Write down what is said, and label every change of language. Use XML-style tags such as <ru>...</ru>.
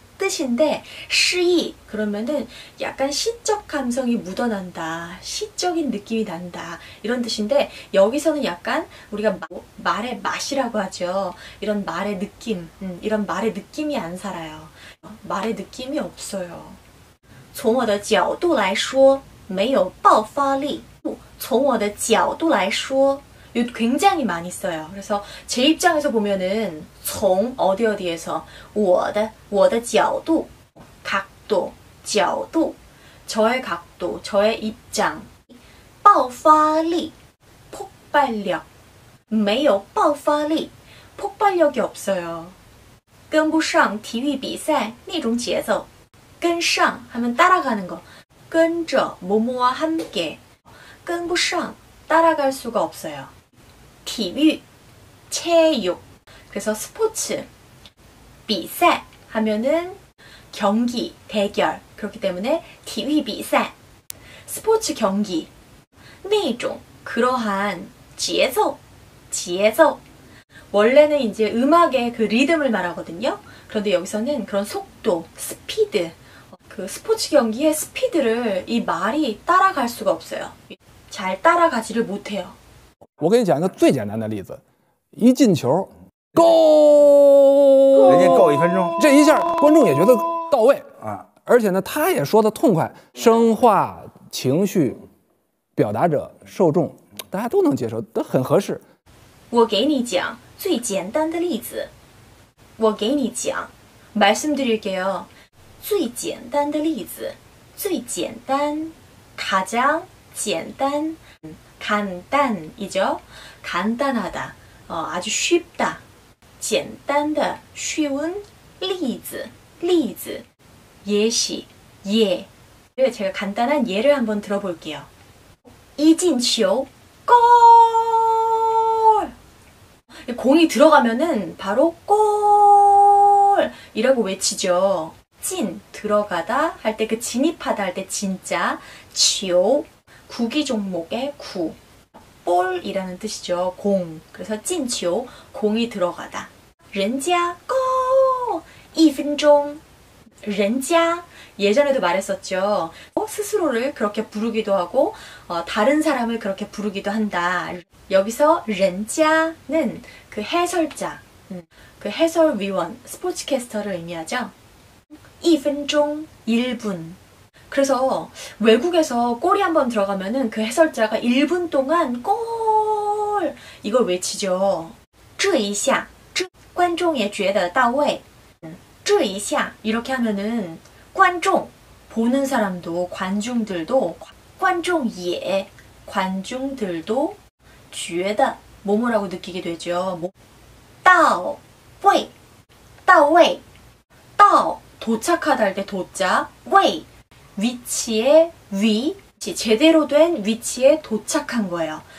<ko>뜻인데 시이 그러면은 약간 시적 감성이 묻어난다, 시적인 느낌이 난다 이런 뜻인데 여기서는 약간 우리가 말의 맛이라고 하죠. 이런 말의 느낌, 이런 말의 느낌이 안 살아요. 말의 느낌이 없어요.</ko> <zh>从我的角度来说，没有爆发力。从我的角度来说。</zh> <ko>굉장히 많이 써요. 그래서 제 입장에서 보면은 从 어디 어디에서</ko> <zh>我的角度</zh> <ko>각도 角度 저의 각도, 저의 입장. 爆发力, 폭발력.</ko> <zh>没有 爆发力,</zh> <ko>폭발력이 없어요.</ko> <zh>跟不上体育比赛那种节奏.</zh> <ko>跟上, 하면 따라가는 거. 跟着, 뭐뭐와 함께. 跟不上, 따라갈 수가 없어요. 体育, 체육. 그래서 스포츠. 比赛, 하면은 경기, 대결. 그렇기 때문에 体育比赛, 스포츠 경기.</ko> <zh>那种,</zh> <ko>그러한,</ko> <zh>节奏, 节奏.</zh> <ko>원래는 이제 음악의 그 리듬을 말하거든요. 그런데 여기서는 그런 속도, 스피드, 그 스포츠 경기의 스피드를 이 말이 따라갈 수가 없어요. 잘 따라가지를 못해요.</ko> <zh>我给你讲一个最简单的例子，一进球， go，人家 go 一分钟，这一下观众也觉得到位啊，而且呢，他也说的痛快，声画、情绪、表达者、受众，大家都能接受，都很合适。我给你讲最简单的例子。我给你讲,</zh> <ko>말씀드릴게요.</ko> <zh>最简单的例子, 最简单, 가장 简单, 간단이죠.</zh> <ko>간단하다, 아주 쉽다.</ko> <zh>简单的,</zh> <ko>쉬운,</ko> <zh>例子, 例子, 예시, 예.</zh> <ko>제가 간단한 예를 한번 들어볼게요. 이진球, 골! 공이 들어가면은 바로 골! 이라고 외치죠. 진, 들어가다 할 때 그 진입하다 할 때 진짜 치오, 구기 종목의 구, 볼이라는 뜻이죠. 공, 그래서 진치오, 공이 들어가다.</ko> <zh>人家, 고!</zh> <ko>1분钟 人家, 예전에도 말했었죠. 스스로를 그렇게 부르기도 하고 다른 사람을 그렇게 부르기도 한다. 여기서 人家는 그 해설자, 그 해설위원, 스포츠캐스터를 의미하죠. 1분钟, 1분. 그래서 외국에서 골이 한번 들어가면은 그 해설자가 1분 동안 골! 이걸 외치죠.</ko> <zh>这一下, 观众也觉得到位.</zh> <ko>这一下, 이렇게 하면은 관중, 보는 사람도, 관중들도, 관중也, 관중들도</ko> <zh>觉得,</zh> <ko>뭐뭐라고 느끼게 되죠. 到位, 到位, 到, 도착하다 할 때 도자, 位, 위치의 위, 제대로 된 위치에 도착한 거예요.</ko>